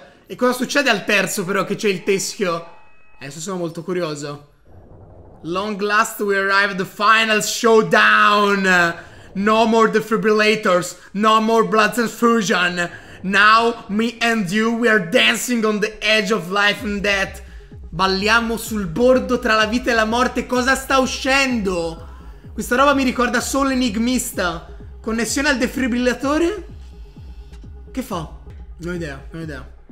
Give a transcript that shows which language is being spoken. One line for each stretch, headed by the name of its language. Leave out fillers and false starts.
Italian: E cosa succede al terzo però che c'è il teschio? Adesso sono molto curioso.
English: Long last we arrive at the final showdown. No more defibrillators. No more blood transfusion. Now me and you we are dancing on the edge of life and death.
Italian: Balliamo sul bordo tra la vita e la morte. Cosa sta uscendo? Questa roba mi ricorda solo Enigmista. Connessione al defibrillatore. Che fa? Non ho idea, non ho idea.